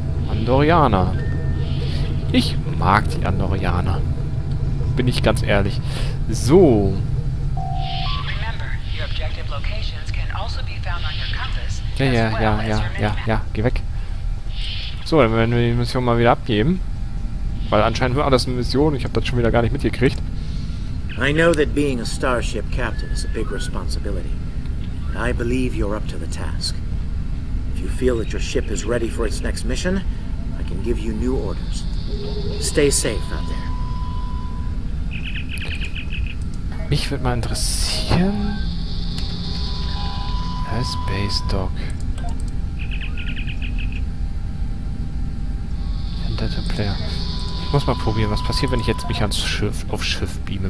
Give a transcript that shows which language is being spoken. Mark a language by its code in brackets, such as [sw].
[de] Andorianer. Ich mag die Andorianer. Bin ich ganz ehrlich. So. Ja. Geh weg. So, dann werden wir die Mission mal wieder abgeben. Weil anscheinend war das eine Mission. Ich habe das schon wieder gar nicht mitgekriegt. [en] I know that being a starship captain is a big responsibility. And I believe you're up to the task. If you feel that your ship is ready for its next mission, I can give you new orders. Stay safe out there. [de] Mich würde mal interessieren. [en] A space dock. [de] Vendetta Player. Ich muss mal probieren, was passiert, wenn ich jetzt mich ans Schiff, auf Schiff beame.